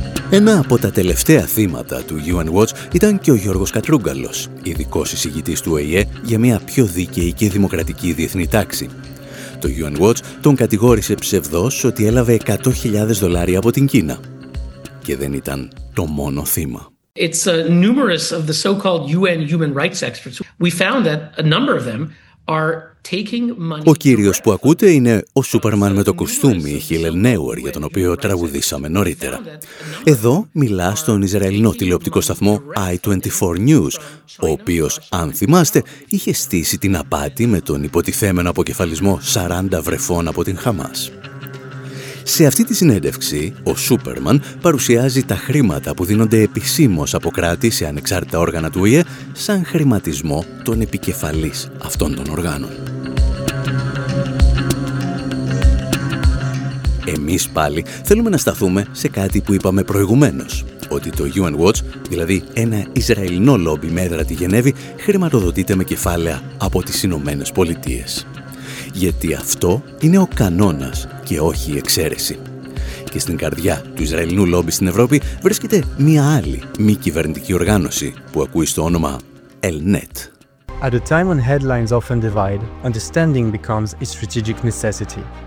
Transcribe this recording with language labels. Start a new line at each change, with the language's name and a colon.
Greek: Ένα από τα τελευταία θύματα του UN Watch ήταν και ο Γιώργος Κατρούγκαλος, ειδικός εισηγητής του ΟΗΕ για μια πιο δίκαιη και δημοκρατική διεθνή τάξη. Το UN Watch τον κατηγόρησε ψευδός ότι έλαβε 100.000 δολάρια από την Κίνα. Και δεν ήταν το μόνο θύμα.
English: It's a numerous of the so-called UN human rights experts. We found that a number of them are taking money.
Greek: Ο κύριος που ακούτε είναι ο Σούπερμαν με το κουστούμι, Hillel Neuer, για τον οποίο τραγουδήσαμε νωρίτερα. Εδώ μιλά στον Ισραηλινό τηλεοπτικό σταθμό I24 News, ο οποίος, αν θυμάστε, είχε στήσει την απάτη με τον υποτιθέμενο αποκεφαλισμό 40 βρεφών από την Χαμάς. Σε αυτή τη συνέντευξη, ο Σούπερμαν παρουσιάζει τα χρήματα που δίνονται επισήμως από κράτη σε ανεξάρτητα όργανα του ΟΗΕ σαν χρηματισμό των επικεφαλής αυτών των οργάνων. Εμείς πάλι θέλουμε να σταθούμε σε κάτι που είπαμε προηγουμένως, ότι το UN Watch, δηλαδή ένα Ισραηλινό λόμπι με έδρα τη Γενέβη, χρηματοδοτείται με κεφάλαια από τις Ηνωμένες Πολιτείες. Γιατί αυτό είναι ο κανόνας και όχι η εξαίρεση. Και στην καρδιά του Ισραηλινού λόμπι στην Ευρώπη βρίσκεται μία άλλη μη κυβερνητική οργάνωση που ακούει στο όνομα ELNET.
English: At a time when headlines often divide, understanding becomes a strategic necessity.